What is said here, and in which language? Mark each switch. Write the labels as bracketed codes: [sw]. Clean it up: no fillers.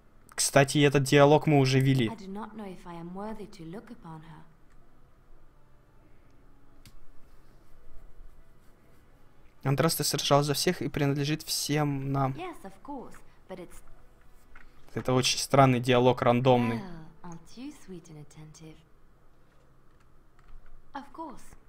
[ru] Кстати, этот диалог мы уже вели. [en] I do not know if I am worthy to look upon her. [ru] Андрасте сражался за всех и принадлежит всем нам. [en] Yes, of course, but it's... [ru] Это очень странный диалог, рандомный. [en] Well, aren't you sweet and attentive? Of course.